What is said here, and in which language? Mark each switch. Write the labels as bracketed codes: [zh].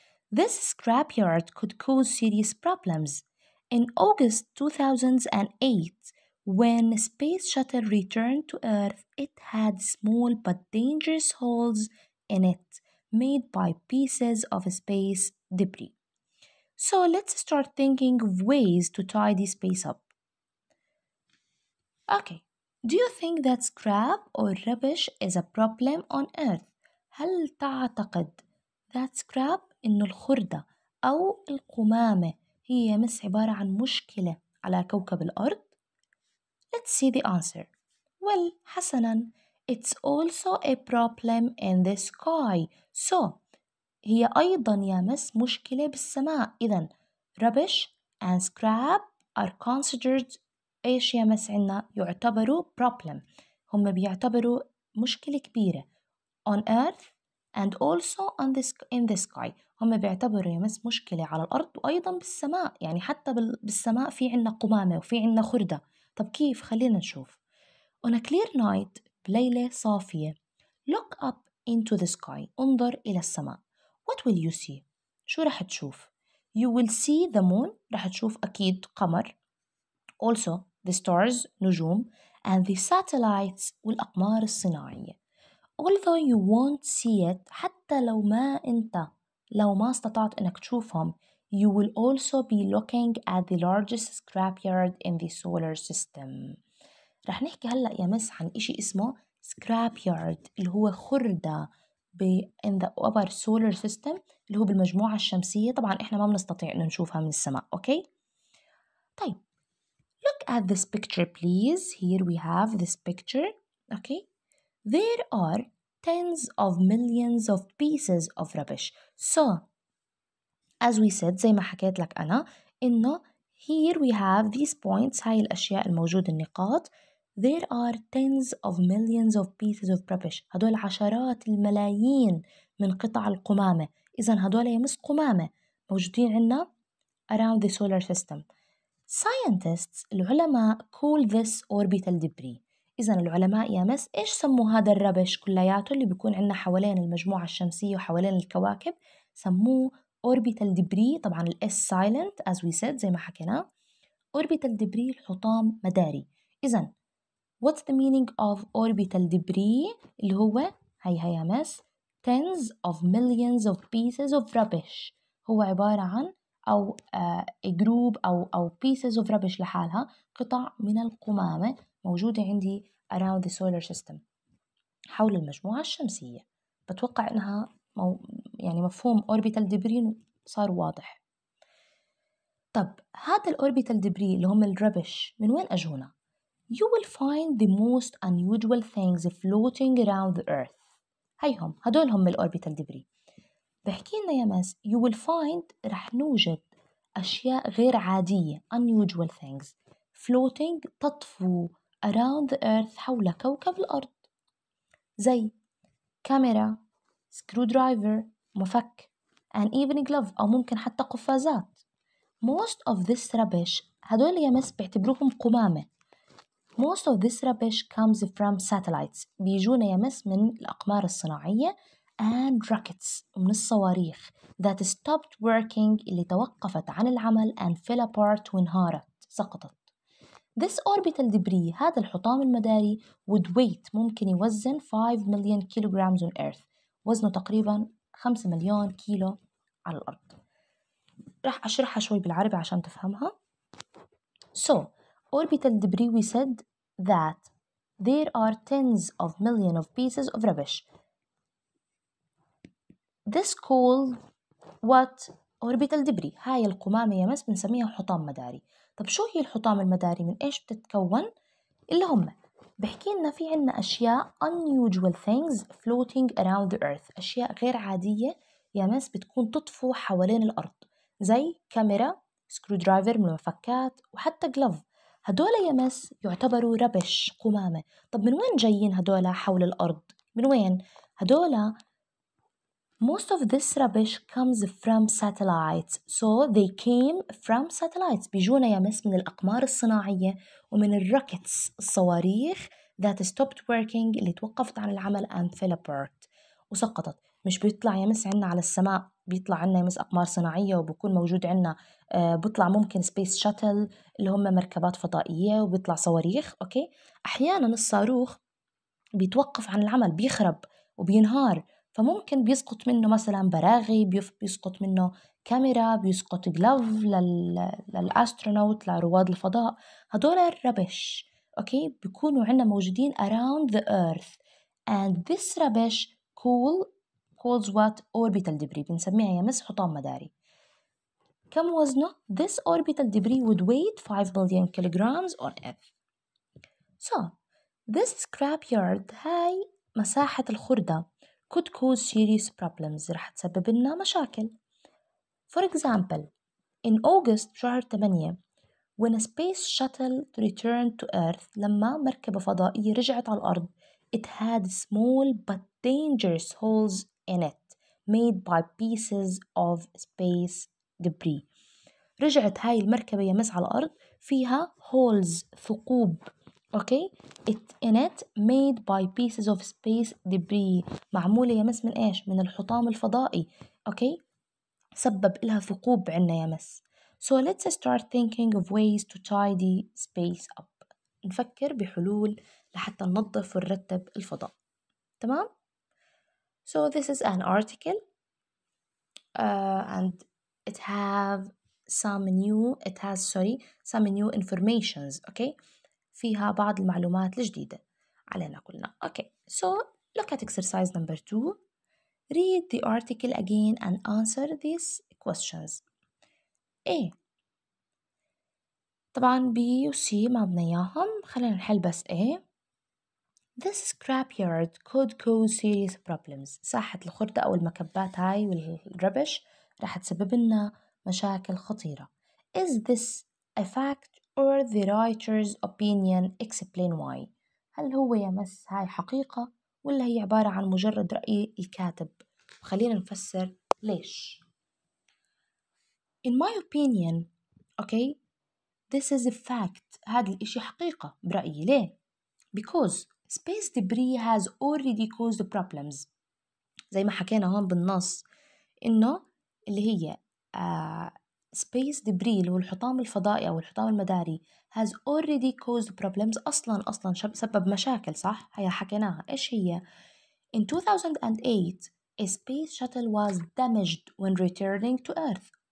[en] This scrapyard could cause serious problems. In August 2008, when Space Shuttle returned to Earth, it had small but dangerous holes in it made by pieces of space debris. So let's start thinking of ways to tidy space up. Okay, do you think that scrap or rubbish is a problem on Earth? [ar] هل تعتقد that scrap إنه الخردة أو القمامة هي مس عبارة عن مشكلة على كوكب الأرض؟ [en] Let's see the answer. Well, [ar] حسناً, [en] it's also a problem in the sky. [ar] So, هي أيضاً يا مس مشكلة بالسماء. إذن, [en] rubbish and scrap are considered, [ar] إيش يا مس عنا, يعتبروا problem. هم بيعتبروا مشكلة كبيرة. [en] On earth and also on this, in the sky. [ar] هم بيعتبروا يمس مشكلة على الأرض وأيضا بالسماء, يعني حتى بالسماء في عنا قمامة وفي عنا خردة. طب كيف؟ خلينا نشوف. [en] On a clear night, [ar] بليلة صافية, [en] look up into the sky, [ar] انظر إلى السماء. [en] What will you see? [ar] شو رح تشوف؟ [en] You will see the moon, [ar] رح تشوف أكيد قمر. [en] Also, the stars, نجوم, and the satellites, [ar] والأقمار الصناعية. [en] Although you won't see it, [ar] حتى لو ما أنت لو ما استطعت أنك تشوفهم, [en] you will also be looking at the largest scrapyard in the solar system. [ar] رح نحكي هلأ يا مس عن إشي اسمه scrapyard, اللي هو خردة [en] in the upper solar system, [ar] اللي هو بالمجموعة الشمسية. طبعاً إحنا ما بنستطيع أن نشوفها من السماء, أوكي؟ طيب, [en] look at this picture, please. Here we have this picture, okay? There are tens of millions of pieces of rubbish. So, as we said, [ar] زي ما حكيت لك أنا, إنه [en] here we have these points, [ar] هاي الأشياء الموجودة النقاط. [en] There are tens of millions of pieces of rubbish. [ar] هدول عشرات الملايين من قطع القمامة. إذن هدول يمس قمامة موجودين عنا [en] around the solar system. Scientists, العلماء, call this orbital debris. [ar] إذن العلماء يا مس إيش سموا هذا الربش كلياته اللي بيكون عندنا حوالين المجموعة الشمسية وحوالين الكواكب؟ سموه orbital debris, [en] طبعاً الاس silent as we said [ar] زي ما حكينا. orbital debris, الحطام مداري. إذن [en] what's the meaning of orbital debris [ar] اللي هو هاي هاي يا مس [en] tens of millions of pieces of rubbish, [ar] هو عبارة عن أو a group أو pieces of rubbish لحالها, قطع من القمامة موجودة عندي [en] around the solar system, [ar] حول المجموعة الشمسية. بتوقع إنها يعني مفهوم orbital debris صار واضح. طب هذا الorbital debris اللي هم الربش من وين أجونا؟ [en] you will find the most unusual things floating around the earth. [ar] هيهم هدول هم الاوربيتال ديبري. بحكي لنا يا مس you will find رح نوجد اشياء غير عاديه [en] unusual things floating [ar] تطفو [en] around the earth [ar] حول كوكب الارض زي كاميرا سكرو درايفر مفك and even glove او ممكن حتى قفازات. [en] most of this rubbish [ar] هدول يا مس بيعتبروهم قمامه. [en] Most of this rubbish comes from satellites. [ar] بيجونا يمس من الأقمار الصناعية and rockets من الصواريخ [en] that stopped working [ar] اللي توقفت عن العمل [en] and fell apart [ar] وانهارت سقطت. [en] This orbital debris [ar] هذا الحطام المداري [en] would weight [ar] ممكن يوزن [en] 5 million kilograms on Earth [ar] وزنه تقريبا 5 مليون كيلو على الأرض. راح أشرحها شوي بالعربي عشان تفهمها. [en] So orbital debris we said that there are tens of millions of pieces of rubbish. This called what orbital debris. [ar] هاي القمامة يا مس بنسميها حطام مداري. طب شو هي الحطام المداري من ايش بتتكون؟ اللي هم بحكي لنا في عنا اشياء [en] unusual things floating around the earth. [ar] اشياء غير عادية يا مس بتكون تطفو حوالين الارض. زي كاميرا سكرو درايفر من المفكات وحتى جلوف. هدول يا مس يعتبروا ربش قمامة. طب من وين جايين هدول حول الأرض؟ من وين؟ هدول [en] most of this rubbish comes from satellites. So they came from satellites. [ar] بيجونا يا مس من الأقمار الصناعية ومن الروكتس الصواريخ [en] that stopped working [ar] اللي توقفت عن العمل [en] and fell apart [ar] وسقطت. مش بيطلع يا مس عنا على السماء بيطلع عنا يا مس أقمار صناعية وبكون موجود عنا بطلع ممكن سبيس شاتل اللي هم مركبات فضائية وبيطلع صواريخ أوكي. أحياناً الصاروخ بيتوقف عن العمل بيخرب وبينهار فممكن بيسقط منه مثلاً براغي بيسقط منه كاميرا بيسقط جلوف للأسترونوت لرواد الفضاء. هدول الربش أوكي بيكونوا عنا موجودين [en] around the earth and this rubbish calls what orbital debris [ar] بنسميها يا مس حطام مداري. كم وزنه؟ [en] This orbital debris would weight 5 billion kilograms on Earth. So, this scrapyard, [ar] هاي مساحة الخردة, [en] could cause serious problems. [ar] رح تسبب لنا مشاكل. [en] For example, in August, شهر 8, when a space shuttle returned to Earth, [ar] لما مركبة فضائية رجعت على الأرض, [en] it had small but dangerous holes in it, made by pieces of space debris. [ar] رجعت هاي المركبة يمس على الأرض فيها holes ثقوب okay [en] it in it made by pieces of space debris [ar] معمولة يمس من إيش من الحطام الفضائي okay سبب لها ثقوب عنا يمس. [en] So let's start thinking of ways to tidy space up. [ar] نفكر بحلول لحتى ننظف ونرتب الفضاء تمام. [en] So this is an article and it have some new informations okay [ar] فيها بعض المعلومات الجديدة علينا كلنا [en] okay. So look at exercise number 2. Read the article again and answer these questions. [ar] A طبعا B و C ما بدنا اياهم خلينا نحل بس A. [en] This scrapyard could cause serious problems. [ar] ساحة الخردة او المكبات هاي والربش رح تسبب لنا مشاكل خطيرة. [en] Is this a fact or the writer's opinion? Explain why. [ar] هل هو يا مس هاي حقيقة ولا هي عبارة عن مجرد رأي الكاتب؟ خلينا نفسر ليش. [en] In my opinion, okay, this is a fact. [ar] هذا الإشي حقيقة برأيي. ليه؟ [en] Because space debris has already caused problems. [ar] زي ما حكينا هون بالنص إنه اللي هي space debris اللي هو الحطام الفضائي أو الحطام المداري [en] has already caused problems [ar] أصلا سبب مشاكل صح؟ هيا حكيناها إيش هي؟ [en] In 2008 a space shuttle was damaged when returning to Earth.